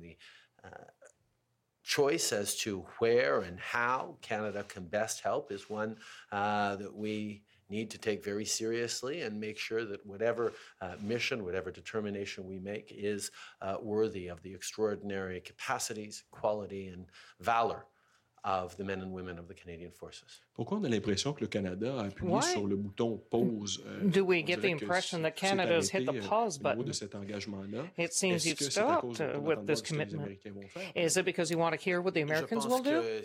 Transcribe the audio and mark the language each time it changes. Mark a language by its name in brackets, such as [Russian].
[English] The choice as to where and how Canada can best help is one that we need to take very seriously and make sure that whatever mission, whatever determination we make is worthy of the extraordinary capacities, quality, and valor of the men and women of the Canadian forces. [French] Pourquoi on a l'impression que le Canada a appuyé sur le bouton pause? [English] Do we get the impression that Canada has hit the pause button? [French] De cet engagement-là? [English] It seems you've stopped with this commitment. Is it because you want to hear what the Americans will do?